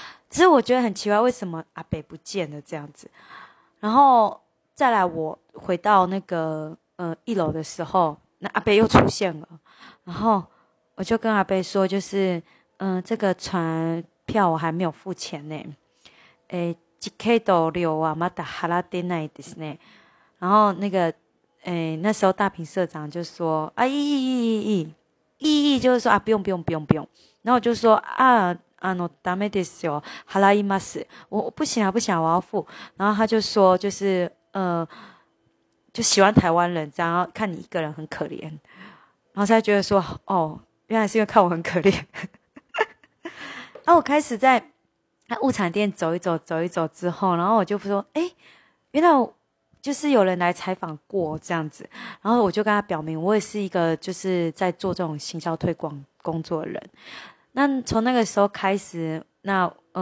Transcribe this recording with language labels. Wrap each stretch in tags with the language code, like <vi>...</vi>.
<zh>只是我觉得很奇怪为什么阿北不见了这样子，然后再来我回到那个一楼的时候，那阿北又出现了，然后我就跟阿北说，就是这个船票我还没有付钱呢。</zh> <ja>チケット料はまだ払ってないですね。</ja> <zh>然后那个，那时候大平社长就说，啊，意义就是说啊，不用不用不用不用。然后我就说啊，</zh> <ja>あのダメですよ、払います。</ja> <zh>我不行啊，不行啊，我要付。然后他就说，就是就喜欢台湾人这样，看你一个人很可怜。然后他觉得说，哦，原来是因为看我很可怜。然后我开始在物产店走一走走一走之后，然后我就说诶，原来就是有人来采访过这样子，然后我就跟他表明我也是一个就是在做这种行销推广工作的人，那从那个时候开始，那</zh>